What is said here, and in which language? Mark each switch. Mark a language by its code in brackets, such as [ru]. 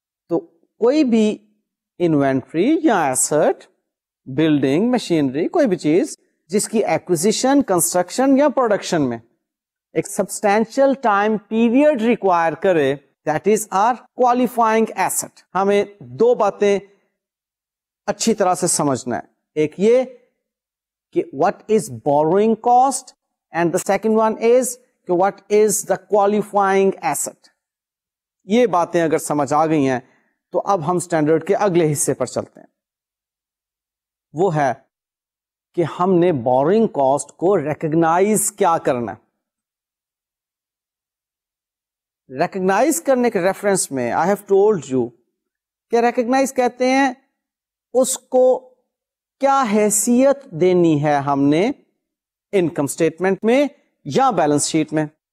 [ur] تو کوئی بھی انوینٹری یا ایسٹ، بلڈنگ، مشینری، کوئی بھی چیز جس کی ایکوزیشن، کنسٹرکشن یا پروڈکشن میں ایک سبسٹینشل ٹائم پیریڈ ریکوائر کرے، [en] That is our qualifying asset. [ur] ہمیں دو باتیں اچھی طرح سے سمجھنا ہے، ایک یہ کہ [en] what is borrowing cost and the second one is what is the qualifying asset. [ur] یہ باتیں اگر سمجھ آ گئی ہیں تو اب ہم اسٹینڈرڈ کے اگلے حصے پر چلتے ہیں. وہ ہے کہ ہم نے borrowing cost کو recognize کیا کرنا ہے. ریکگنائز کرنے کے ریفرنس میں [en] I have told you [ur] کہ ریکگنائز کہتے ہیں اس کو کیا حیثیت دینی ہے ہم نے انکم اسٹیٹمنٹ میں یا بیلنس شیٹ میں.